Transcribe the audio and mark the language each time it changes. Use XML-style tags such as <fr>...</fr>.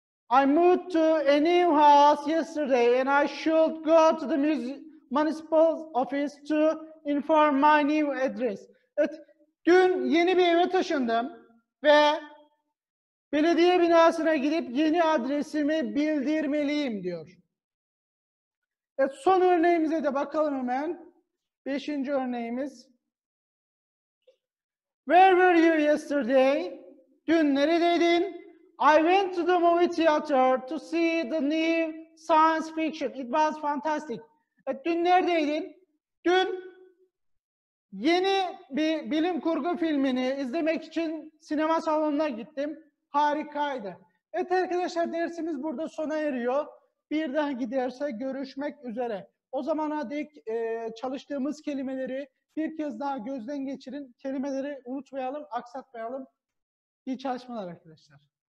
<en>I moved to a new house yesterday and I should go to the municipal office to inform my new address.</en> <tr>Evet, dün yeni bir eve taşındım ve belediye binasına gidip yeni adresimi bildirmeliyim diyor. Son örneğimize de bakalım hemen. Beşinci örneğimiz.</tr> <en>Where were you yesterday?</en> <tr>Dün neredeydin?</tr> <en>I went to the movie theater to see the new science fiction. It was fantastic.</en> <tr>Dün neredeydin? Dün yeni bir bilim kurgu filmini izlemek için sinema salonuna gittim. Harikaydı. Evet arkadaşlar, dersimiz burada sona eriyor. Bir daha giderse görüşmek üzere. O zamana dek çalıştığımız kelimeleri bir kez daha gözden geçirin. Kelimeleri unutmayalım, aksatmayalım. İyi çalışmalar arkadaşlar.</tr>